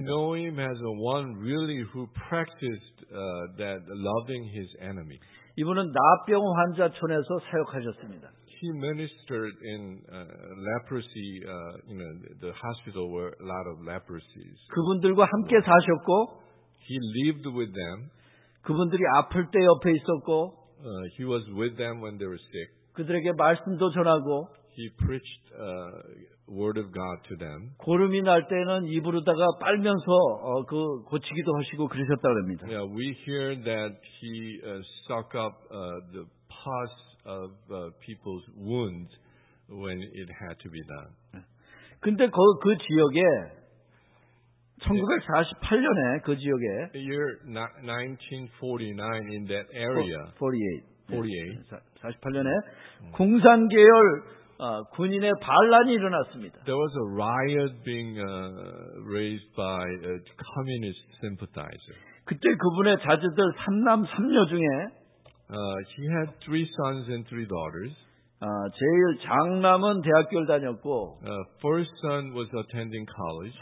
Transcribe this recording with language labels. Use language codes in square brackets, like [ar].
[en] We know him as the one really who practiced that loving his enemy. [ko] 이분은 나병 환자촌에서 사역하셨습니다. [en] He ministered in leprosy, you know, the hospital where a lot of leprosies. [ko] 그분들과 함께 사셨고. [en] He lived with them. [ko] 그분들이 아플 때 옆에 있었고 [en] he was with them when they were sick. [ko] 그들에게 말씀도 전하고 [en] he preached word of God to them. [ko] 고름이 날 때는 입으로다가 빨면서 그 고치기도 하시고 그러셨다고 합니다. [en] Yeah, we hear that he suck up the pus of people's wounds when it had to be done. [ko] 근데 그 지역에 1948년에 그 지역에 [en] year 1949 in that area [ko] 48 48년에 공산 계열 군인의 반란이 일어났습니다. [en] There was a riot being raised by a communist sympathizer. [ko] 그때 그분의 자제들 3남 3녀 중에 [en] he had three sons and three daughters. [ko] 제일 장남은 대학교를 다녔고 [en] first son was attending college.